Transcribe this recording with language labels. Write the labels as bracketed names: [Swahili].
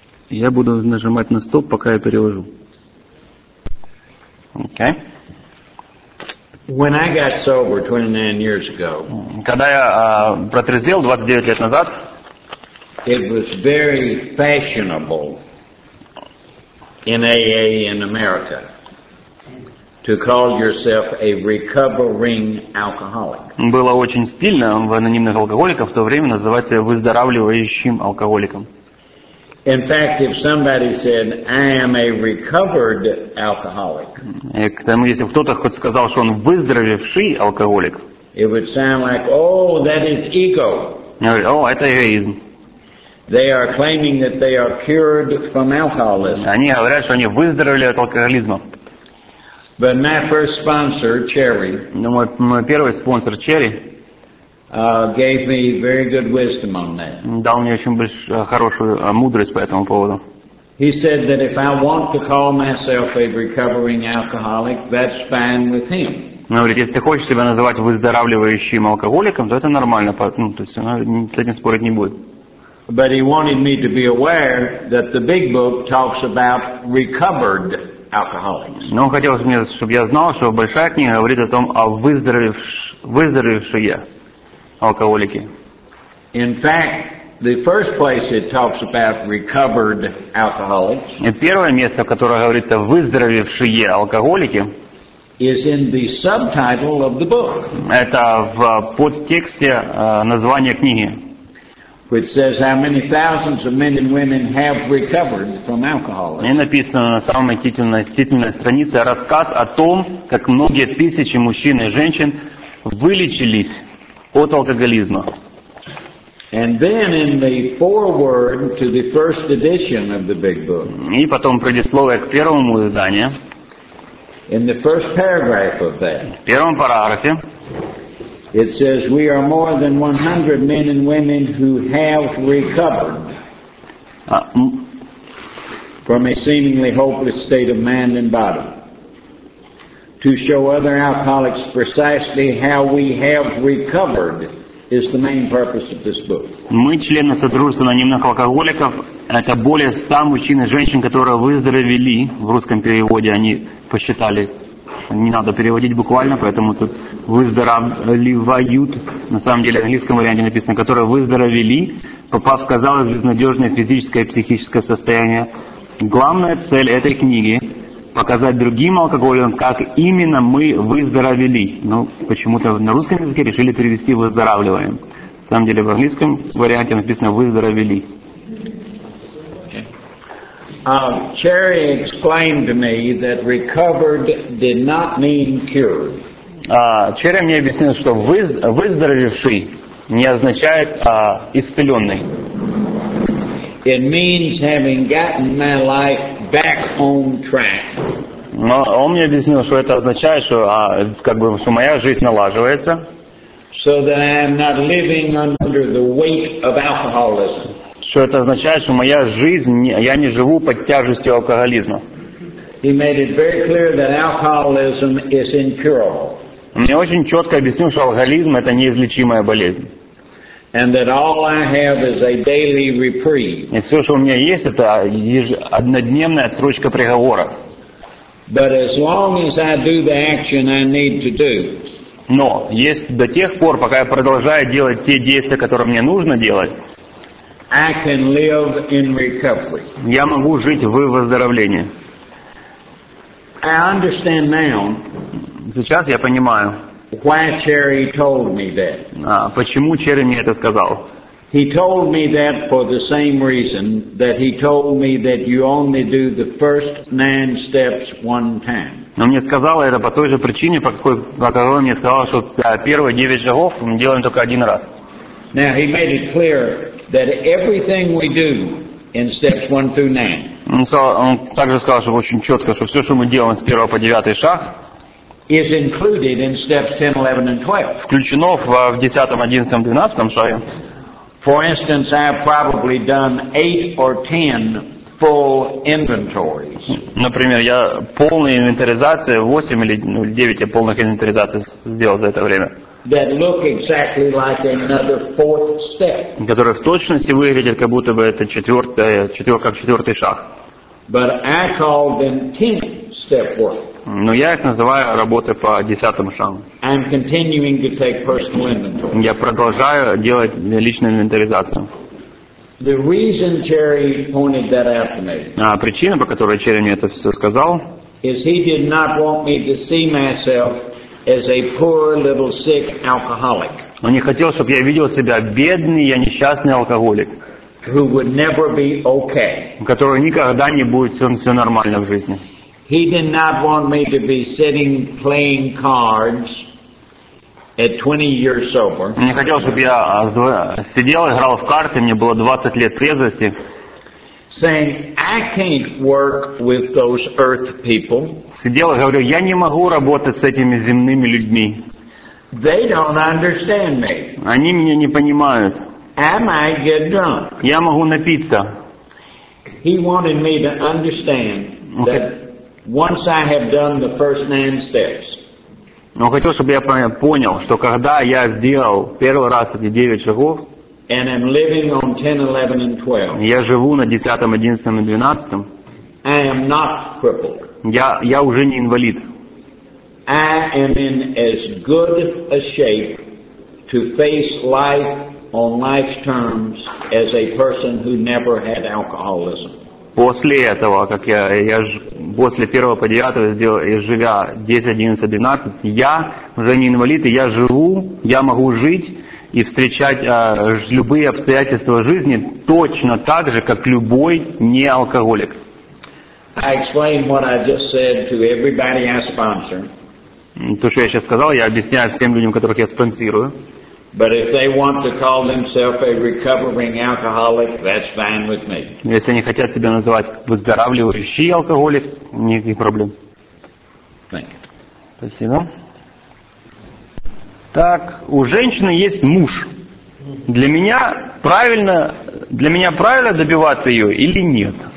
[Russian] Я буду нажимать на стоп, пока я перевожу. [English] Okay. When I got sober 29 years ago, [Russian] когда я протрезвел 29 лет назад, [English] it was very fashionable in AA in America to call yourself a recovering alcoholic. [Russian] Было очень стильно в анонимных алкоголиках в то время называть себя выздоравливающим алкоголиком. [English] In fact, if somebody said, "I am a recovered alcoholic," [Russian] если кто-то хоть сказал, что он выздоровевший алкоголик, [English] it would sound like, "Oh, that is ego." [Russian] Это эгоизм. [English] They are claiming that they are cured from alcoholism. [Russian] Они говорят, что они выздоровели от алкоголизма. [English] But my first sponsor, Cherry, [Russian] мой первый спонсор Cherry, [English] gave me very good wisdom on that. [Russian] Дал мне очень хорошую мудрость по этому поводу. [English] He said that if I want to call myself a recovering alcoholic, that's fine with him. [Russian] Говорит, если ты хочешь себя называть выздоравливающим алкоголиком, то это нормально, то есть он с этим спорить не будет. [English] But he wanted me to be aware that the big book talks about recovered alcoholics. [Russian] Но он хотел, чтобы я знал, что большая книга говорит о том, о выздоровевшие алкоголики. [English] In fact, the first place it talks about recovered alcoholics. [Russian] И первое место, которое говорится выздоровевшие алкоголики, [English] is in the subtitle of the book. [Russian] Это в подтексте названия книги. [English] Which says how many thousands of men and women have recovered from alcoholism. [Russian] И написано на самой титульной странице рассказ о том, как многие тысячи мужчин и женщин вылечились от алкоголизма. [English] And then in the foreword to the first edition of the big book. [Russian] И потом предисловие к первому изданию. [English] In the first paragraph of that. [Russian] В первом параграфе. [English] It says we are more than 100 men and women who have recovered from a seemingly hopeless state of mind and body. To show other alcoholics precisely how we have recovered is the main purpose of this book. [Russian] Мы члены Содружества анонимных алкоголиков. Это более 100 мужчин и женщин, которые выздоровели. В русском переводе они посчитали. Не надо переводить буквально, поэтому тут выздоравливают. На самом деле в английском варианте написано, которые выздоровели, попав в, казалось, безнадежное физическое и психическое состояние. Главная цель этой книги — показать другим алкоголикам, как именно мы выздоровели. Ну, почему-то на русском языке решили перевести «выздоравливаем». На самом деле в английском варианте написано «выздоровели». [English] Cherry explained to me that recovered did not mean cured. [Russian] Cherry мне объяснил, что выздоровевший не означает исцеленный. [English] It means having gotten my life back on track. [Russian] Но он мне объяснил, что это означает, что моя жизнь налаживается. [English] So that I am not living under the weight of alcoholism. [Russian] Что это означает, что моя жизнь, я не живу под тяжестью алкоголизма. [English] He made it very clear that alcoholism is incurable. [Russian] Мне очень четко объяснил, что алкоголизм это неизлечимая болезнь. [English] And that all I have is a daily reprieve. [Russian] И все, что у меня есть, это однодневная отсрочка приговора. [English] But as long as I do the action I need to do. [Russian] Но есть до тех пор, пока я продолжаю делать те действия, которые мне нужно делать. [English] I can live in recovery. [Russian] Я могу жить в выздоровлении. [English] I understand now. [Russian] Сейчас я понимаю. [English] Why Cherry told me that? [Russian] Почему Черри мне это сказал? [English] He told me that for the same reason that he told me that you only do the first 9 steps one time. [Russian] Он мне сказал это по той же причине, по которой мне сказал, что первые 9 шагов мы делаем только один раз. [English] Now he made it clear that everything we do in steps 1 through 9. [Russian] Он также сказал, что очень четко, что все, что мы делаем с первого по девятый шаг. [English] Is included in steps 10, 11, and 12. [Russian] Включено в 10, 11, 12 шаге. [English] For instance, I have probably done 8 or 10 full inventories. [Russian] Например, я полную инвентаризацию, 8 или 9 полных инвентаризаций сделал за это время. [English] That look exactly like another fourth step. [Russian] Которые в точности выглядят, как будто бы это четвертый шаг. [English] But I call them 10 step work. [Russian] Но я их называю работы по десятому шагу. Я продолжаю делать личную инвентаризацию. [English] The reason Cherry pointed that out to me. [Russian] А причина, по которой Черри мне это все сказал, [English] is he did not want me to see myself as a poor little sick alcoholic. [Russian] Он не хотел, чтобы я видел себя бедный, я несчастный алкоголик, [English] who would never be okay. [Russian] У которого никогда не будет все нормально в жизни. [English] He did not want me to be sitting playing cards at 20 years sober. [Russian] Не хотел, чтобы я сидел, играл в карты, мне было 20 лет трезвости. [English] Saying I can't work with those earth people. [Russian] Сидел и говорю, я не могу работать с этими земными людьми. [English] They don't understand me. [Russian] Они меня не понимают. [English] I might get drunk. [Russian] Я могу напиться. [English] He wanted me to understand that. Once I have done the first 9 steps. [Russian] Он хотел, чтобы я понял, что когда я сделал первый раз эти 9 шагов, [English] and I'm living on 10, 11, and 12. [Russian] Я живу на 10, 11 и 12. [English] I am not crippled. [Russian] Я уже не инвалид. [English] I am in as good a shape to face life on life's terms as a person who never had alcoholism. [Russian] После этого, как я после первого по девятого сделал, живя 10, 11, 12, я уже не инвалид, и я живу, я могу жить и встречать любые обстоятельства жизни точно так же, как любой неалкоголик. [English] I explained what I just said to everybody I sponsor. [Russian] То, что я сейчас сказал, я объясняю всем людям, которых я спонсирую. [English] But if they want to call themselves a recovering alcoholic, that's fine with me. [Russian] Если они хотят себя называть выздоравливающий алкоголик, никаких проблем. [English] Thank you. [Russian] Спасибо. Так, у женщины есть муж. Для меня правильно добиваться ее или нет?